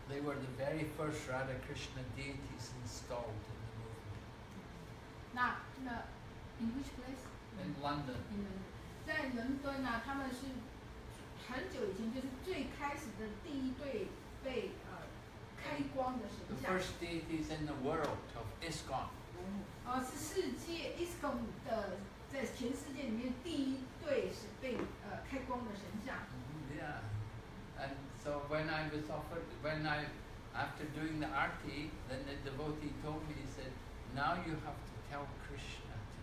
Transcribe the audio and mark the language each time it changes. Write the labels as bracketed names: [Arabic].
[English] They were the very first Radha Krishna deities installed in the movement. Now, in which place? In London. [Chinese] 在伦敦啊，他们是很久以前就是最开始的第一对被开光的神像。 [English] The first deities in the world of ISKCON. [Chinese] 是世界 ISKCON 的在全世界里面第一对是被开光的神像。Yeah, [English] and so when I was offered, when I after doing the arti, then the devotee told me, he said, now you have to tell Krishna.